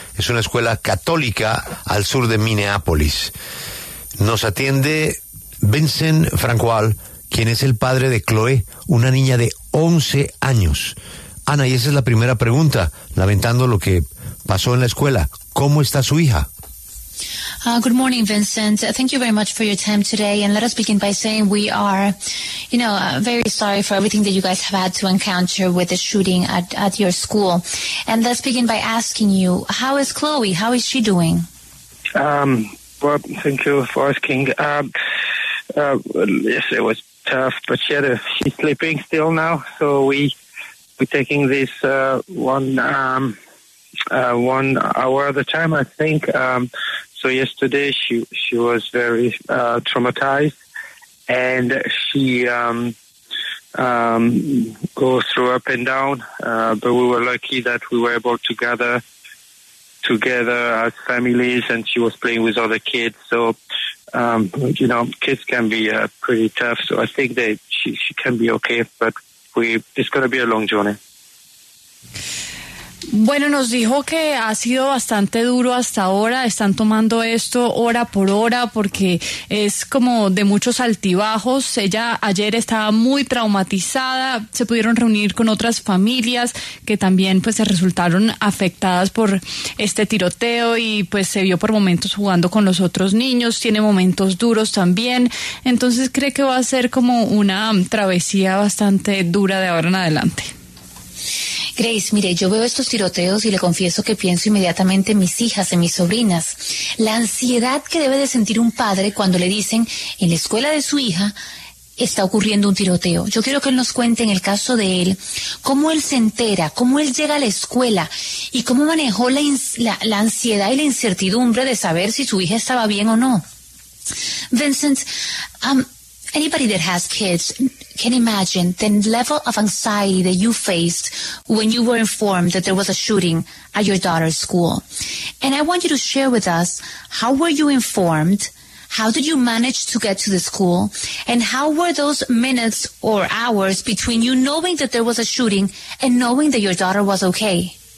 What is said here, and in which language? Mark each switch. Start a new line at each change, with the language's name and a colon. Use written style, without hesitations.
Spanish: Es una escuela católica al sur de Minneapolis. Nos atiende Vincent Francois, quien es el padre de Chloe, una niña de 11 años. Ana, y esa es la primera pregunta, lamentando lo que pasó en la escuela. ¿Cómo está su hija?
English: Good morning, Vincent. Thank you very much for your time today. And let us begin by saying we are, you know, very sorry for everything that you guys have had to encounter with the shooting at your school. And let's begin by asking you, how is Chloe? How is she doing? Well, thank you for asking. Yes, it was tough, but she's sleeping still now. So we're taking this one hour at a time, I think. So yesterday she was very traumatized, and she goes through up and down. But we were lucky that we were able to gather as families, and she was playing with other kids. So you know, kids can be pretty tough. So I think that she can be okay, but it's going to be a long journey.
Spanish: Bueno, nos dijo que ha sido bastante duro hasta ahora. Están tomando esto hora por hora porque es como de muchos altibajos. Ella ayer estaba muy traumatizada. Se pudieron reunir con otras familias que también pues se resultaron afectadas por este tiroteo y pues se vio por momentos jugando con los otros niños. Tiene momentos duros también. Entonces cree que va a ser como una travesía bastante dura de ahora en adelante. Grace, mire, yo veo estos tiroteos y le confieso que pienso inmediatamente en mis hijas, en mis sobrinas. La ansiedad que debe de sentir un padre cuando le dicen en la escuela de su hija está ocurriendo un tiroteo. Yo quiero que él nos cuente en el caso de él, cómo él se entera, cómo él llega a la escuela y cómo manejó la ansiedad y la incertidumbre de saber si su hija estaba bien o no.
English: Vincent, anybody that has kids can imagine the level of anxiety that you faced when you were informed that there was a shooting at your daughter's school. And I want you to share with us, how were you informed? How did you manage to get to the school? And how were those minutes or hours between you knowing that there was a shooting and knowing that your daughter was okay?